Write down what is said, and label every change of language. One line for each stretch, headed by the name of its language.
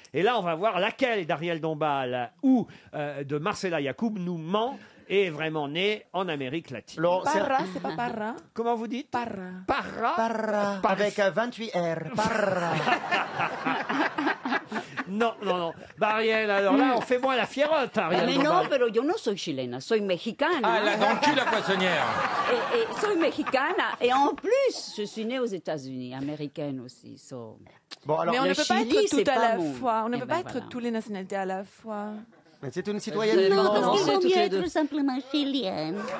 French: Et là, on va voir laquelle d'Ariel Dombal ou de Marcela Yacoub nous ment. Est vraiment né en Amérique latine. Alors, Parra, c'est pas Parra. Comment vous dites? Parra. Parra. Parra. Avec 28 R. Parra. Non. Ariel, alors là, on fait moins la fierotte, Ariel. Mais non,
Spanish: pero yo no soy chilena, soy mexicana.
French: Ah, la dentue, la poissonnière.
Spanish: Et soy mexicana.
French: Et en plus, je suis née aux États-Unis, américaine aussi.
English: So.
French: Bon, alors, mais on ne peut pas Chili, être tout à la fois. On ne peut pas être toutes les nationalités à la fois. Mais c'est une citoyenne. Non, parce qu'il vaut mieux être simplement chilienne.